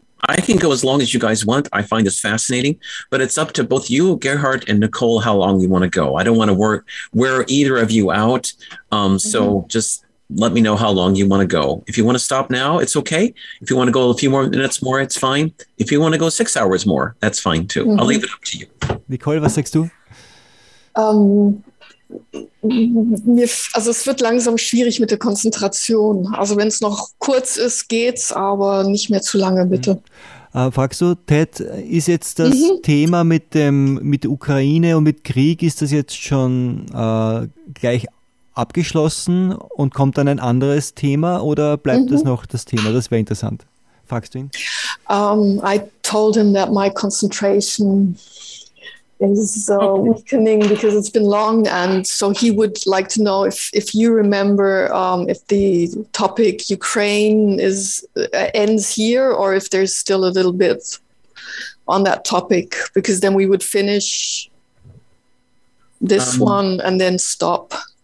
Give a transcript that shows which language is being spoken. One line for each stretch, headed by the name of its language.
English: I can go as long as you guys want. I find this fascinating, but it's up to both you, Gerhard, and Nicole, how long you want to go. I don't want to wear either of you out. So just let me know how long you want to go. If you want to stop now, it's okay. If you want to go a few more minutes more, it's fine. If you want to go 6 hours more, that's fine too. Mm-hmm. I'll leave it up to you.
German: Nicole, was sagst du? Also es wird langsam schwierig mit der Konzentration. Also wenn es noch kurz ist, geht's, aber nicht mehr zu lange, bitte. Mhm. Fragst du, Ted, ist jetzt das Thema mit Ukraine und mit Krieg, ist das jetzt schon gleich abgeschlossen und kommt dann ein anderes Thema oder bleibt das noch das Thema? Das wäre interessant. Fragst du ihn?
English: I told him that my concentration is weakening because it's been long, and so he would like to know if you remember if the topic Ukraine is ends here or if there's still a little bit on that topic, because then we would finish this one and then stop.